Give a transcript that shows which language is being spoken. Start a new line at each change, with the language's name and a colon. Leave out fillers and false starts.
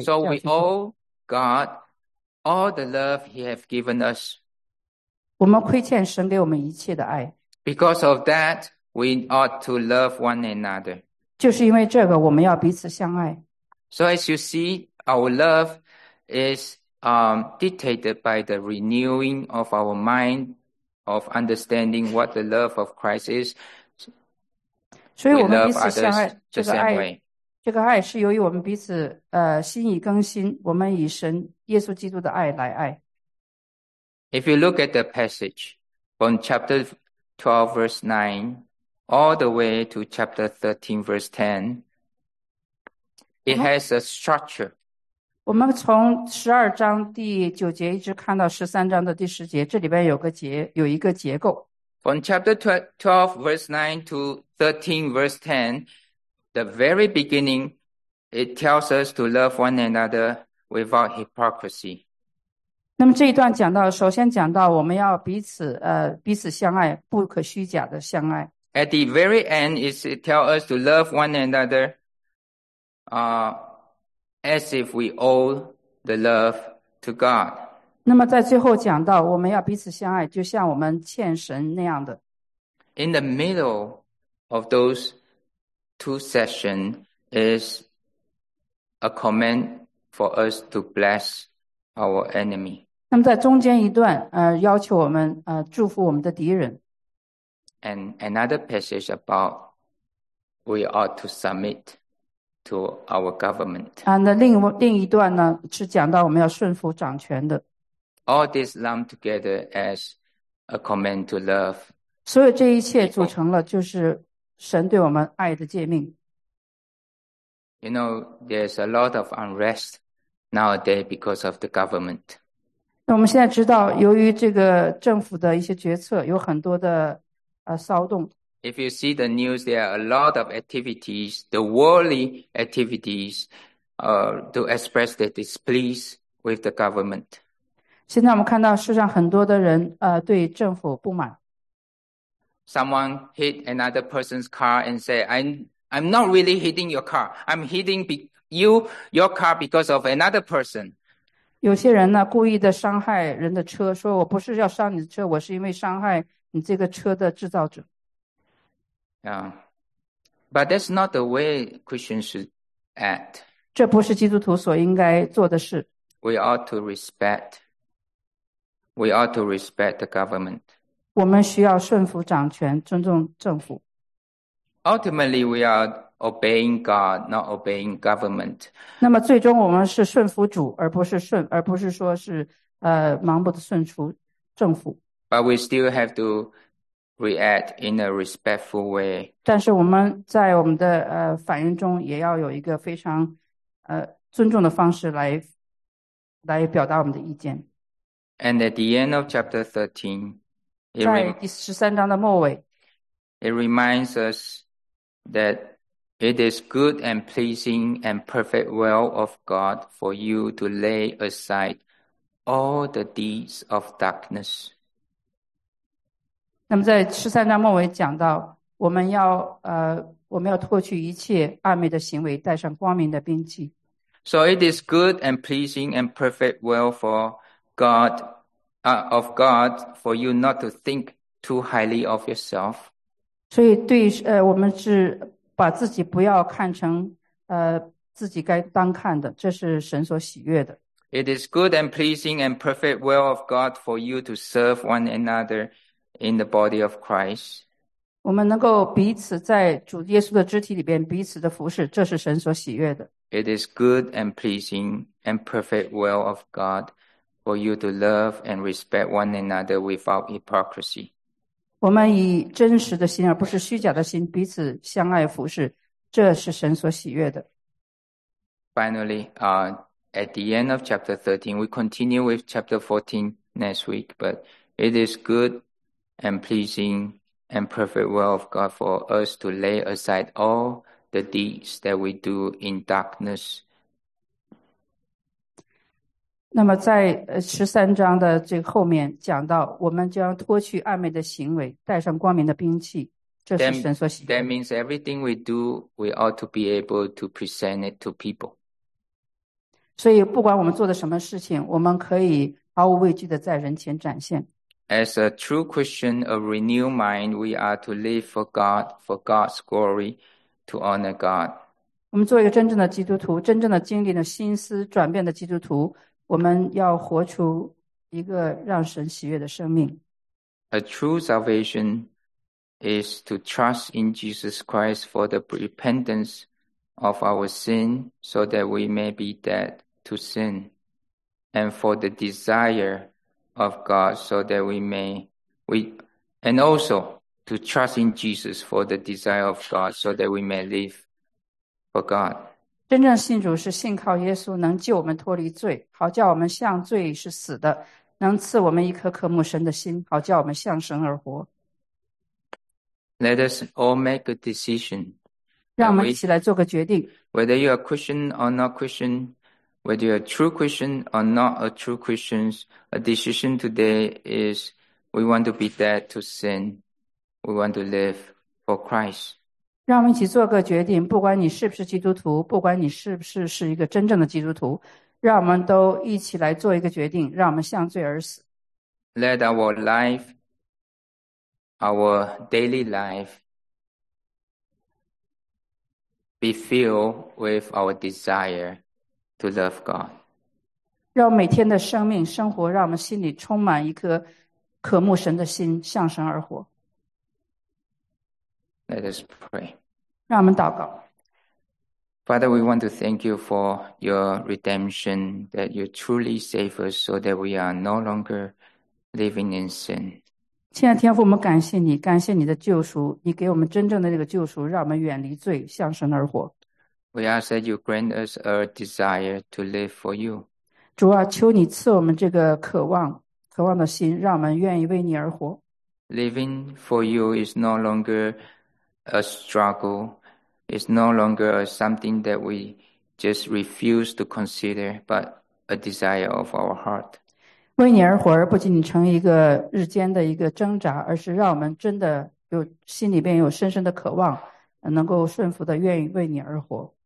English: So we owe God all the love he has given us.
Chinese: 我们亏欠神给我们一切的爱。
English: Because of that, we ought to love one another.
Chinese: 就是因为这个，我们要彼此相爱。
English: So as you see, our love is dictated by the renewing of our mind of understanding what the love of Christ is. So we love others the same way.
Chinese: 这个爱是由于我们彼此心意更新，我们以神耶稣基督的爱来爱。
English: If you look at the passage from chapter 12 verse 9 all the way to chapter 13 verse 10, it has a structure.
Chinese: 我们从12章第9节一直看到13章的第10节，这里边有一个结构。
English: From chapter 12 verse 9 to 13 verse 10, the very beginning, it tells us to love one another without hypocrisy.
Chinese: 那么这一段讲到，首先讲到我们要彼此相爱，不可虚假的相爱。
English: At the very end, it tells us to love one another as if we owe the love to God.
Chinese: 那么在最后讲到我们要彼此相爱，就像我们欠神那样的。
English: In the middle of those two sessions is a command for us to bless our enemy.
Chinese: 那么在中间一段要求我们祝福我们的敌人。
English: And another passage about we ought to submit to our government.
Chinese: 那另一段呢是讲到我们要顺服掌权的。
English: All this lump together as a command to love.
Chinese: 所有这一切组成了就是神对我们爱的诫命。
English: You know, there's a lot of unrest nowadays because of the government.
Chinese: 那我们现在知道由于这个政府的一些决策有很多的骚动。
English: If you see the news, there are a lot of activities, the worldly activities, to express their displease with the government.
Chinese: 现在我们看到世上很多的人对政府不满。
English: Someone hit another person's car and said, I'm not really hitting your car. I'm hitting your car because of another person.
Chinese: 有些人呢故意的伤害人的车，说我不是要伤你的车，我是因为伤害你这个车的制造者。
English: Yeah. But that's not the way Christians should act.
Chinese: 这不是基督徒所应该做的事。
English: We ought to respect. We ought to respect the government.
Chinese: 我们需要顺服掌权，尊重政府。
English: Ultimately, we are obeying God, not obeying government.
Chinese: 那么最终我们是顺服主，而不是顺，而不是说是盲目的顺服政府。
English: But we still have to react in a respectful way.
Chinese: 但是我们在我们的反应中也要有一个非常尊重的方式来表达我们的意见。
English: And at the end of chapter 13,
Chinese: 在第十三章的末尾，
English: it reminds us that it is good and pleasing and perfect will of God for you to lay aside all the deeds of darkness.
Chinese: 那么在十三章末尾讲到，我们要脱去一切暗昧的行为，带上光明的兵器。
English: So it is good and pleasing and perfect will for God, of God for you not to think too highly of yourself.
Chinese: 所以对我们是把自己不要看成自己该当看的，这是神所喜悦的。
English: It is good and pleasing and perfect will of God for you to serve one another in the body of Christ.
Chinese: 我们能够彼此在主耶稣的肢体里边彼此的服侍，这是神所喜悦的。
English: It is good and pleasing and perfect will of God for you to love and respect one another without hypocrisy.
Chinese: 我们以真实的心而不是虚假的心彼此相爱服侍，这是神所喜悦的。
English: Finally, at the end of chapter 13, we continue with chapter 14 next week, but it is good and pleasing and perfect will of God for us to lay aside all the deeds that we do in darkness.
Chinese: 那么在十三章的最后面讲到，我们将脱去暗昧的行为，带上光明的兵器，这是神所喜悦。
English: That means everything we do, we ought to be able to present it to people.
Chinese: 所以不管我们做的什么事情，我们可以毫无畏惧的在人前展现。
English: As a true Christian, a renewed mind, we are to live for God, for God's glory, to honor God.
Chinese: 我们做一个真正的基督徒，真正的经历的心思转变的基督徒，我们要活出一个让神喜悦的生命。
English: A true salvation is to trust in Jesus Christ for the repentance of our sin, so that we may be dead to sin, and for the desire of God, so that we may, and also to trust in Jesus for the desire of God, so that we may live for God.
Chinese: 真正信主是信靠耶稣能救我们脱离罪，好叫我们向罪是死的，能赐我们一颗渴慕神的心，好叫我们向神而活。
English: Let us all make a decision.
Chinese: 让我们一起来做个决定。
English: Whether you are Christian or not Christian, whether you are true Christian or not a true Christian, a decision today is we want to be dead to sin. We want to live for Christ.
Chinese: 让我们一起做个决定，不管你是不是基督徒，不管你是不是是一个真正的基督徒，让我们都一起来做一个决定，让我们向罪而死。
English: Let our life, our daily life, be filled with our desire to love God.
Chinese: 让每天的生命生活，让我们心里充满一颗渴慕神的心，向神而活。
English: Let us pray.
Chinese: 让我们祷告。
English: Father, we want to thank you for your redemption, that you truly save us so that we are no longer living in sin.
Chinese: 亲爱的天父，我们感谢你，感谢你的救赎，你给我们真正的这个救赎，让我们远离罪，向神而活。
English: We ask that you grant us a desire to live for you.
Chinese: 主啊，求你赐我们这个渴望，渴望的心，让我们愿意为你而活。
English: Living for you is no longer a struggle, is no longer something that we just refuse to consider, but a desire of our heart.
Chinese: 为你而活，而不仅仅成一个日间的一个挣扎，而是让我们真的有心里边有深深的渴望，能够顺服的愿意为你而活。